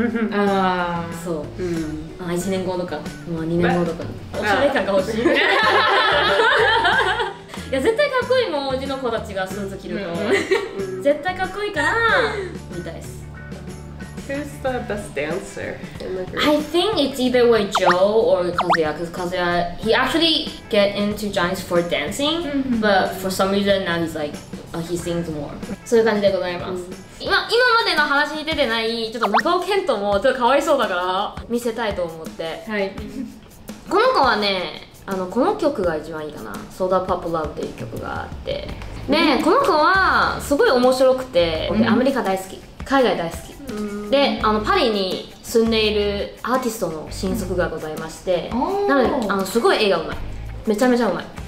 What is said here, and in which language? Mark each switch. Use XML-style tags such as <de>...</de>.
<ja>あー。そう。あ、1年後とか、まあ2年後とか。おしゃれ感が欲しい。いや絶対かっこいいもん、うちの子たちがスーツ着ると。絶対かっこいいから、みたいです。</ja> <en>Who's the best dancer in the group? I think it's either way Joe or Kazuya, because Kazuya, he actually get into Giants for dancing, but for some reason now he's like, he sings more.</en> <ja>そういう感じでございます。今までの話に出てないちょっと中尾健人もちょっとかわいそうだから見せたいと思って、はい、この子はね、あのこの曲が一番いいかな、 So Da Pop Love っていう曲があってね、うん、この子はすごい面白くて、うん、アメリカ大好き、海外大好き、うん、で、あのパリに住んでいるアーティストの親族がございまして、うん、なので、あのすごい絵がうまい、めちゃめちゃうまい。</ja>